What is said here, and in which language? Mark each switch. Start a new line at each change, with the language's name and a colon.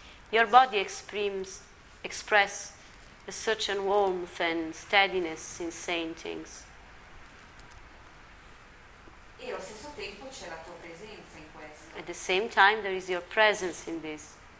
English: Your body express a certain warmth and steadiness in saying things.
Italian: E allo stesso tempo c'è la tua presenza in questo.
English: At the same time there is your presence in this.